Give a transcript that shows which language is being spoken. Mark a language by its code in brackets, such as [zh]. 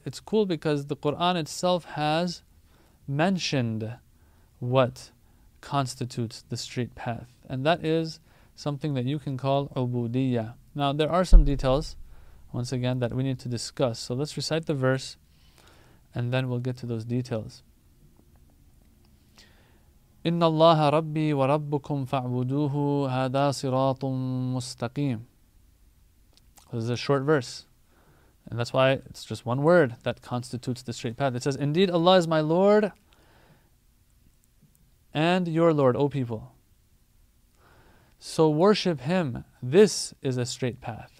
[en] It's cool because the Quran itself has mentioned what constitutes the straight path. And that is something that you can call ubudiyyah. Now, there are some details once again, that we need to discuss. So let's recite the verse, and then we'll get to those details. [ar] إن الله ربي وربكم فاعبدوه هذا صراط مستقيم. [en] This is a short verse, and that's why it's just one word that constitutes the straight path. It says, indeed Allah is my Lord and your Lord, O people. So worship Him. This is a straight path.